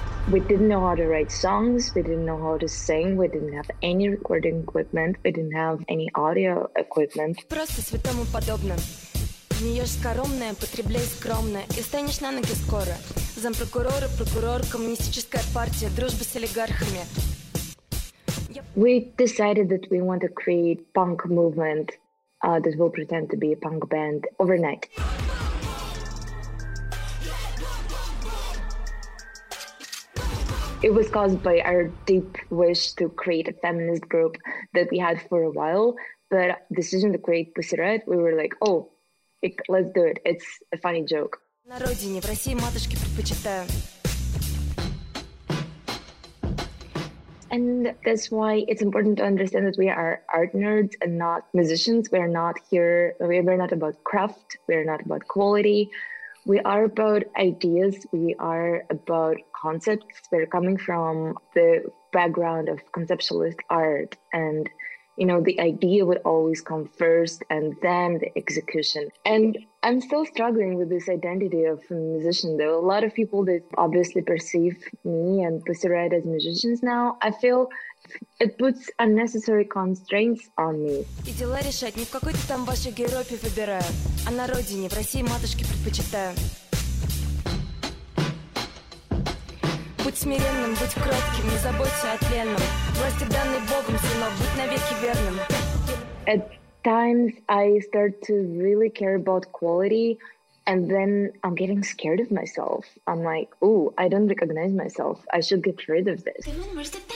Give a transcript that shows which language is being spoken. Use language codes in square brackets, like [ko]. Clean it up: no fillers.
[en] We didn't know how to write songs, we didn't know how to sing, we didn't have any recording equipment, we didn't have any audio equipment. [ru] Просто святому подобно. Не ешь скоромное, потребляй скромное, и станешь на ноги скоро. Зампрокурор, прокурор, коммунистическая партия, дружба с олигархами. [en] We decided that we want to create punk movement that will pretend to be a punk band overnight. It was caused by our deep wish to create a feminist group that we had for a while. But decision to create Pussyriot, we were like, oh, let's do it. It's a funny joke. [ru] На родине, в России, матушке предпочитаю. [en] And that's why it's important to understand that we are art nerds and not musicians. We are not here. We're not about craft. We're not about quality. We are about ideas, we are about concepts. We're coming from the background of conceptualist art. And, you know, the idea would always come first and then the execution. And I'm still struggling with this identity of a musician, though. A lot of people that obviously perceive me and Pussyriot as musicians now, I feel it puts unnecessary constraints on me. [ru] И дела решать не в какой-то там вашей Европе выбираю, а на родине, в России, матушке предпочитаю. Будь смиренным, будь кротким, не забудься о тленном. Власти данной Богом, сынов, будь навеки верным. [en] At times I start to really care about quality, and then I'm getting scared of myself. I'm like, ooh, I don't recognize myself. I should get rid of this.